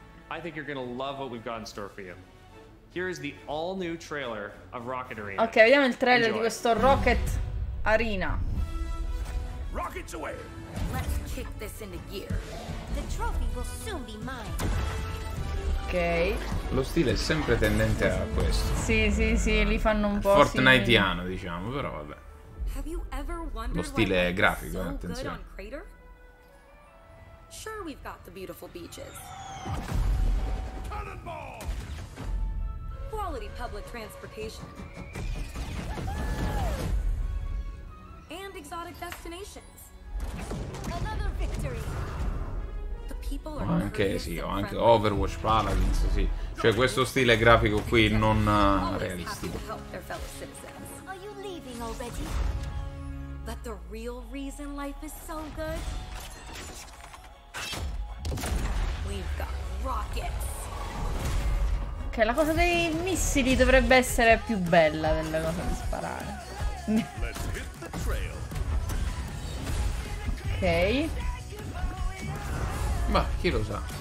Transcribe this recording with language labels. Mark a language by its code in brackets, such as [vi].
[en] I think you're going to love what we've got in store for you. Here is the all new trailer of Rocket Arena. [it] Ok, vediamo il trailer Enjoy. Di questo Rocket Arena. [en] Rockets away. Let's kick this into gear. The trophy will soon be mine. Okay. [it] Lo stile è sempre tendente a questo. Sì, sì, sì, li fanno un po' Fortniteiano, sì. Diciamo, però vabbè. Lo stile è grafico, so attenzione. [en] Sure, we've got the beautiful beaches. Cannonball! Quality public transportation. And exotic destinations. Another victory. [it] Ho anche sì, ho anche Overwatch Paladins, sì. Cioè questo stile grafico qui non realistico. [en] Are you leaving already? But the real reason life is so good. We've got rockets. [it] Ok, la cosa dei missili dovrebbe essere più bella della cosa di sparare. Ok. Ma chi lo sa?